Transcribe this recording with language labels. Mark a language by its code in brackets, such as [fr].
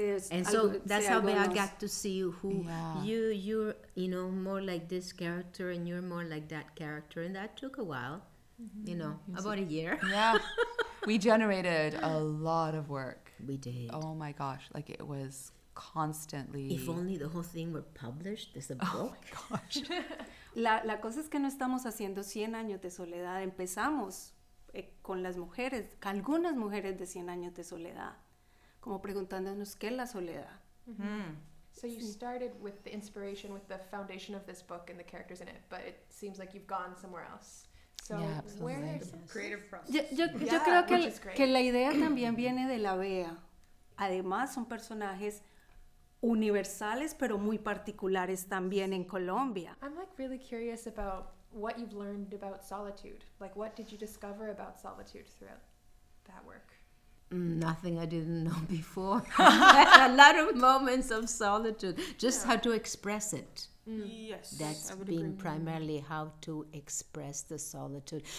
[en] And so that's how I got to see who you're, you know, more like this character and you're more like that character. And that took a while, you know, about a year. Yeah. We generated a lot of work. We did. Oh my gosh. Like it was constantly. If only the whole thing were published as a book. Oh my gosh. [es] La cosa es que no estamos haciendo 100 años de soledad. Empezamos con las mujeres, algunas mujeres de 100 años de soledad, como preguntándonos qué es la soledad. Mm-hmm. [en] So you started with the inspiration, with the foundation of this book and the characters in it, but it seems like you've gone somewhere else. So where is the creative process? [es] Yo creo que la idea también viene de la Bea. Además, son personajes universales, pero muy particulares también en Colombia. [en] I'm like really curious about what you've learned about solitude. Like, what did you discover about solitude throughout that work? Nothing I didn't know before. A lot of moments of solitude. Just how to express it. Yes. That's been primarily how to express the solitude.